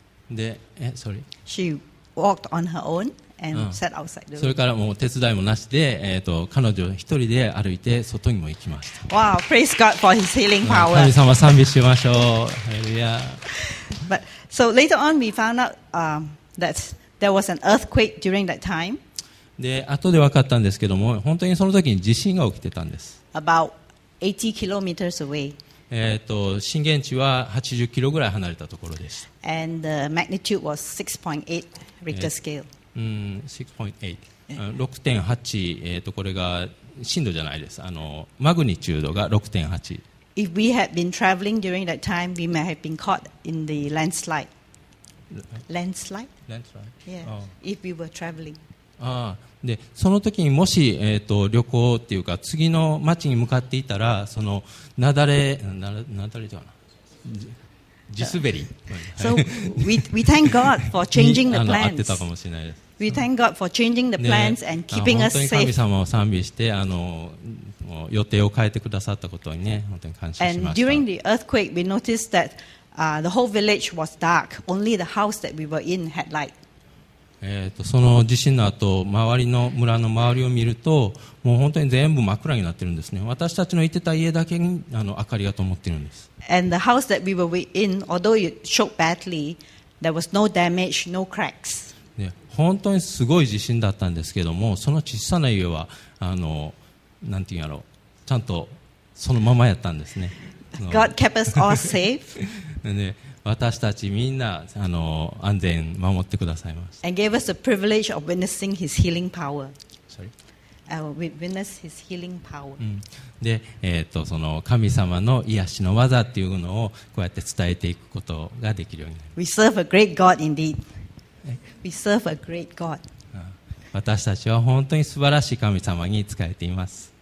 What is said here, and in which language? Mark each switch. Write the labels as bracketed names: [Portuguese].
[English] で、sorry. She walked on her own. And sat outside the room. [Japanese] それからもう手伝いもなしで、彼女一人で歩いて外にも行きました。 [English] Wow, praise God for his healing power. [Japanese] 神様賛美しましょう。ハレルヤ。 [English] But, So later on we found out that there was an earthquake during that time. [Japanese] で、後で分かったんですけども、本当にその時に地震が起きてたんです。 [English] About 80 kilometers away. [Japanese] 震源地は80キロぐらい離れたところでした。 [English] And the magnitude was 6.8 Richter scale. [Japanese] 6.8、これが震度じゃないです。マグニチュードが 6.8。 [English] If we had been traveling during that time, we might have been caught in the landslide. Yeah. If we were traveling. [Japanese] で、その時にもし、旅行っていうか次の町に向かっていたら、その雪崩ではない。地滑り。 [English] So we thank God for changing the plans. [Japanese] 合ってたかもしれないです。 [English] We thank God for changing the plans and keeping us safe. [Japanese] 本当に神様を賛美して、予定を変えてくださったことにね、本当に感謝しました。 [English] And during the earthquake, we noticed that the whole village was dark. Only the house that we were in had light. [Japanese] その地震の後、周りの村の周りを見ると、もう本当に全部真っ暗になってるんですね。私たちのいてた家だけに明かりが灯っているんです。 [English] And the house that we were in, although it shook badly, There was no damage, no cracks. [Japanese] 本当にすごい地震だったんですけども、その小さな家は、なんていうんやろう、ちゃんとそのままやったんですね。 [English] God kept us all safe. [Japanese] でね、私たちみんな安全守ってくださいました。 [English] And gave us the privilege of witnessing His healing power. Sorry. We witness His healing power. [Japanese] で、その神様の癒しの技っていうのをこうやって伝えていくことができるようになります。 [English] We serve a great God indeed. We serve a great God. [Japanese] 私たちは本当に素晴らしい神様に仕えています。